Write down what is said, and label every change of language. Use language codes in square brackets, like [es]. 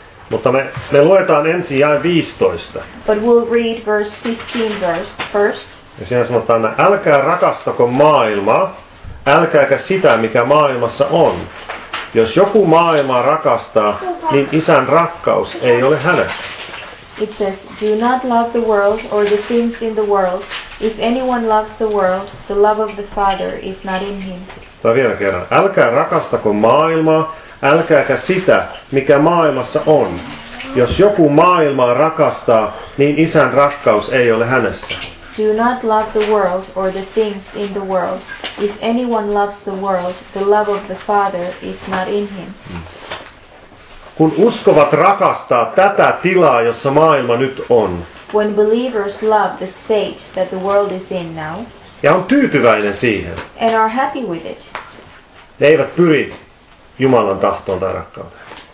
[fi] Mutta me luetaan ensin jae 15. [en] But we'll read verse 15 first. [fi] Ja siinä sanotaan, että älkää rakastako maailmaa, älkääkä sitä, mikä maailmassa on. Jos joku maailmaa rakastaa, niin isän rakkaus ei ole hänessä. [en] It says, do not love the world or the things in the world. If anyone loves the world, the love of the Father is not in him. [fi] Tämä vielä kerran. Älkää rakastako maailmaa, älkääkä sitä, mikä maailmassa on. Jos joku maailmaa rakastaa, niin isän rakkaus ei ole hänessä. [en] Do not love the world or the things in the world. If anyone loves the world, the love of the Father is not in him. [fi] Kun uskovat rakastaa tätä tilaa, jossa maailma nyt on. [en] When believers love the state that the world is in now. [fi] Ja on tyytyväinen siihen. [en] And are happy with it. [fi] Ne eivät pyri Jumalan tahtoon tai rakkauteen.